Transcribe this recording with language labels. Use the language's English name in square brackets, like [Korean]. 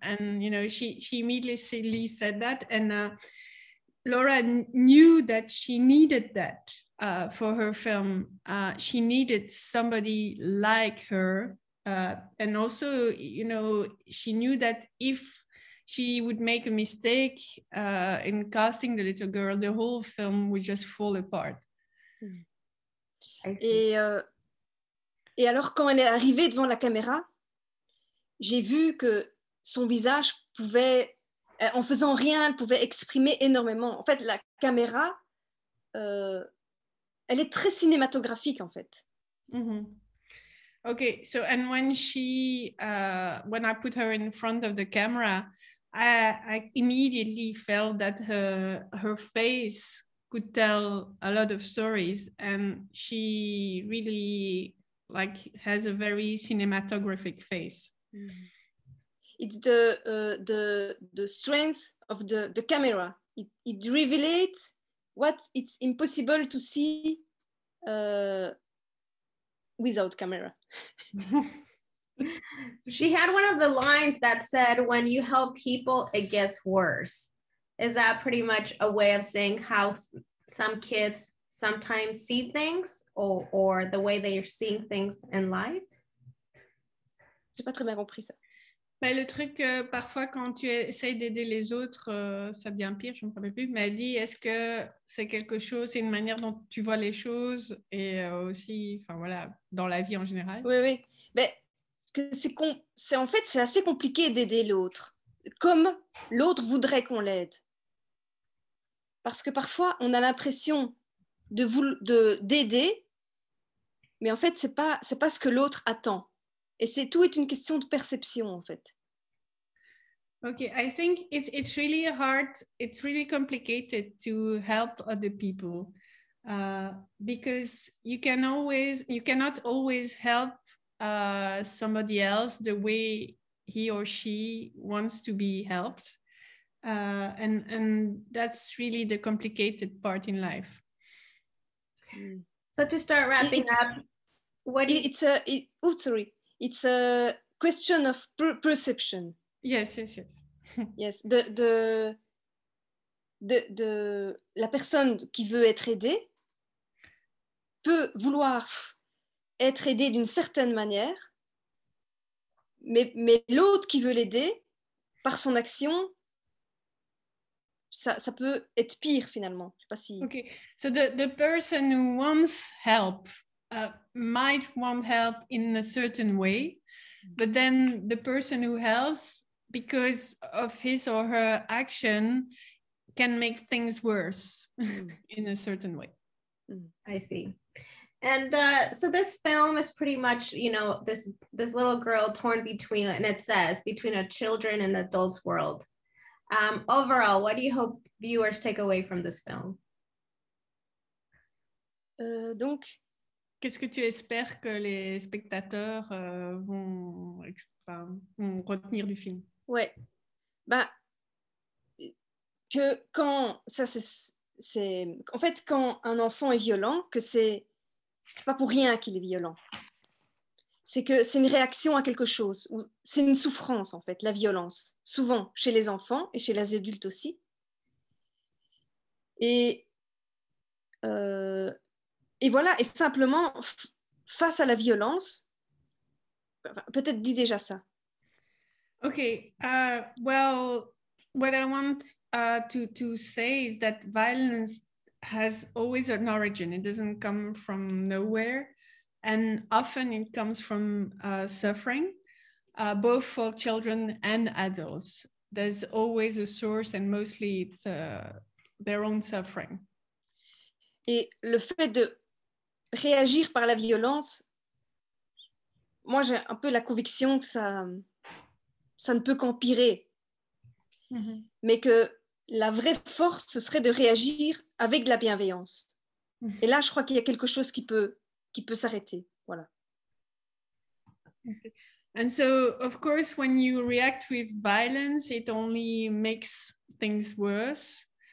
[English] And you know, she immediately said that, and Laura knew that she needed that for her film. She needed somebody like her, and also, you know, she knew that if she would make a mistake in casting the little girl, the whole film would just fall apart. [French] Et alors, quand elle est arrivée devant la caméra, j'ai vu que son visage pouvait, en faisant rien, elle pouvait exprimer énormément. En fait, la caméra, elle est très cinématographique, en fait. Mm-hmm. [English] Okay, so, and when she, when I put her in front of the camera, I immediately felt that her face could tell a lot of stories, and she really... like has a very cinematographic face. It's the strength of the camera. It reveals what it's impossible to see without camera. She had one of the lines that said, when you help people, it gets worse. Is that pretty much a way of saying how some kids sometimes see things or the way they are seeing things in life? [French] J'ai pas très bien compris ça. Bah, le truc, parfois, quand tu essayes d'aider les autres, ça devient pire, je ne me rappelle plus. Mais elle dit, est-ce que c'est quelque chose, c'est une manière dont tu vois les choses et aussi, enfin voilà, dans la vie en général. Oui, oui. Mais que c'est en fait, c'est assez compliqué d'aider l'autre, comme l'autre voudrait qu'on l'aide. Parce que parfois, on a l'impression d'aider, mais en fait, c'est pas ce que l'autre attend. Et c'est tout est une question de perception en fait. [English] Okay, I think it's really hard. It's really complicated to help other people, because you cannot always help somebody else the way he or she wants to be helped, and that's really the complicated part in life. So to start wrapping up, It's a question of perception. Yes. [French] Yes, de la personne qui veut être aidée peut vouloir être aidée d'une certaine manière, mais l'autre qui veut l'aider par son action, ça peut être pire finalement. Je sais pas si. [English] Okay, so the person who wants help. Might want help in a certain way, but then the person who helps because of his or her action can make things worse in a certain way. I see. And so this film is pretty much, you know, this little girl torn between, and it says, between a children and adults world. Overall, what do you hope viewers take away from this film? [French] Donc, qu'est-ce que tu espères que les spectateurs vont retenir du film? Ouais, bah, que quand ça c'est en fait quand un enfant est violent, que c'est pas pour rien qu'il est violent. C'est que c'est une réaction à quelque chose ou c'est une souffrance en fait, la violence, souvent chez les enfants et chez les adultes aussi. Et voilà, et simplement, face à la violence, peut-être dis déjà ça. [English] Okay, well, what I want to say is that violence has always an origin. It doesn't come from nowhere. And often it comes from suffering, both for children and adults. There's always a source and mostly it's their own suffering. [French] Et le fait de réagir par la violence, moi j'ai un peu la conviction que ça ne peut qu'empirer, mais que la vraie force ce serait de réagir avec de la bienveillance. Et là, je crois qu'il y a quelque chose qui peut s'arrêter, voilà. [English] And so, of course, when you react with violence, it only makes things worse.